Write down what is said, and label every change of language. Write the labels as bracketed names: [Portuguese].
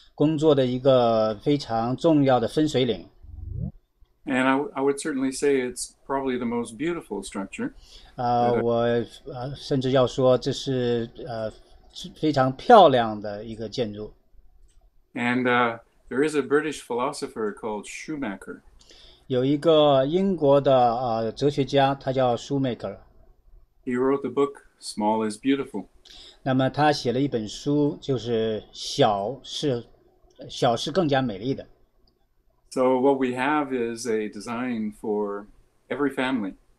[Chinese] 我把这个看作我的整个一生的一个工作的一个非常重要的分水岭。 [English] And I would certainly say it's probably the most beautiful structure. [Chinese] 我甚至要说这是非常漂亮的一个建筑。 [English] And there is a British philosopher called Schumacher. [Chinese] 有一个英国的哲学家，他叫舒迈克。 [English] He wrote the book Small is Beautiful. [Chinese] 那么他写了一本书，就是小是更加美丽的。 [English] So what we have is a design for every family.